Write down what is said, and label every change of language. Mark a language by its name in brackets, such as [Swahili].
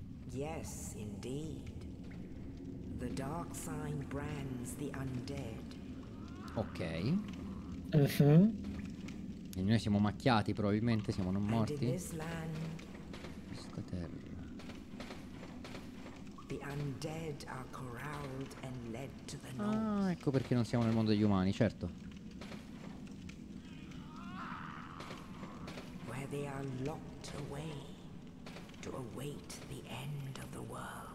[English] Yes, indeed. The dark sign brands the undead. Ok. [Italian] E noi siamo macchiati, probabilmente siamo non morti. [English] And in this land, [Italian] questa terra. [English] The undead are corralled and led to the north. [Italian] Ah, ecco perché non siamo nel mondo degli umani, certo. [English] Where they are locked away to await the end of the world.